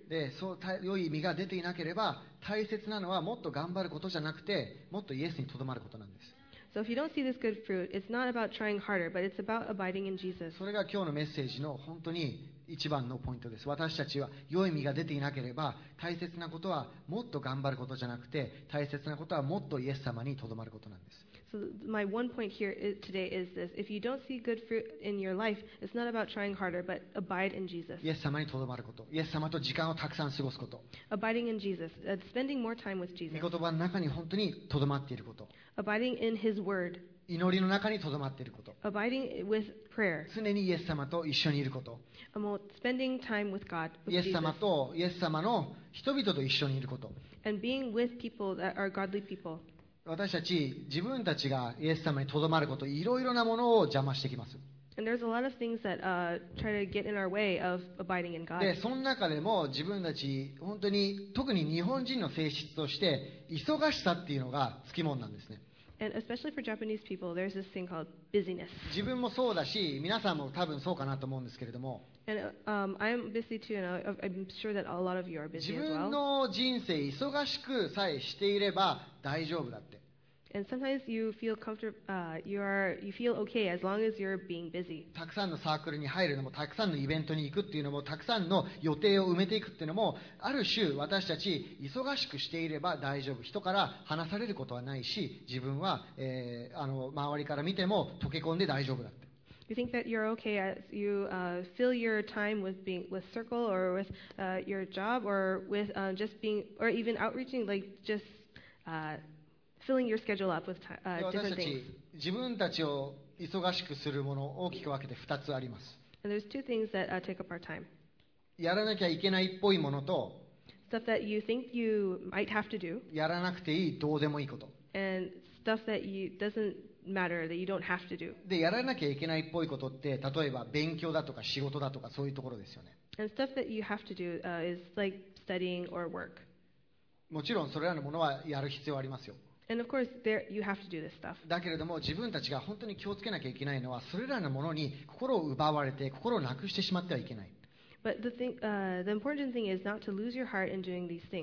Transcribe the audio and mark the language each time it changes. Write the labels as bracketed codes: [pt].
[ja] で、そう良い実が出ていなければ、大切なのはもっと頑張ることじゃなくて、もっとイエスにとどまることなんです。 [en] So if you don't see this good fruit, it's not about trying harder, but it's about abiding in Jesus. [ja] それが今日のメッセージの本当に一番のポイントです。私たちは良い実が出ていなければ、大切なことはもっと頑張ることじゃなくて、大切なことはもっとイエス様にとどまることなんです。 [en] So my one point here today is this: if you don't see good fruit in your life, it's not about trying harder, but abide in Jesus. [ja] イエス様にとどまること、イエス様と時間をたくさん過ごすこと。 [en] Abiding in Jesus, spending more time with Jesus. [ja] 御言葉の中に本当にとどまっていること。 [en] Abiding in His Word. [ja] 祈りの中にとどまっていること。 [en] Abiding with prayer. [ja] 常にイエス様と一緒にいること。 [en] Spending time with God, with [ja] イエス様とイエス様の人々と一緒にいること。 [en] And being with people that are godly people. [ja] 私たち自分たちがイエス様にとどまること、いろいろなものを邪魔してきます。 [en] And there's a lot of things that try to get in our way of abiding in God. [ja] で、その中でも自分たち本当に特に日本人の性質として忙しさっていうのがつきものなんですね。 [en] And especially for Japanese people, there's this thing called busyness. [ja] 自分もそうだし、皆さんも多分そうかなと思うんですけれども。 [en] And I'm busy too, and I'm sure that a lot of you are busy as well. [ja] 自分の人生忙しくさえしていれば大丈夫だって。 [en] And sometimes you feel comfortable, you feel okay as long as you're being busy. [ja] たくさんのサークルに入るのも、たくさんのイベントに行くっていうのも、たくさんの予定を埋めていくっていうのも、ある種私たち忙しくしていれば大丈夫。人から離されることはないし、自分は、周りから見ても溶け込んで大丈夫だって。 [en] You think that you're okay as you fill your time with being with circle or with your job or with just being or even outreaching like just filling your schedule up with different things. [ja] 自分たちを忙しくするもの大きく分けて2つあります。 [en] And there's two things that take up our time. [ja] やらなきゃいけないっぽいものと、 [en] stuff that you think you might have to do. [ja] やらなくていい、どうでもいいこと。 [en] And stuff that doesn't matter, that you don't have to do. [ja] で、やらなきゃいけないっぽいことって、例えば勉強だとか仕事だとかそういうところですよね。 [en] And stuff that you have to do is like studying or work. [ja] もちろんそれらのものはやる必要ありますよ。 [en] And of course, there you have to do this stuff. [ja] だけれども自分たちが本当に気をつけなきゃいけないのはそれらのものに心を奪われて心をなくしてしまってはいけない。 [en] But the important thing is not to lose your heart in doing these things.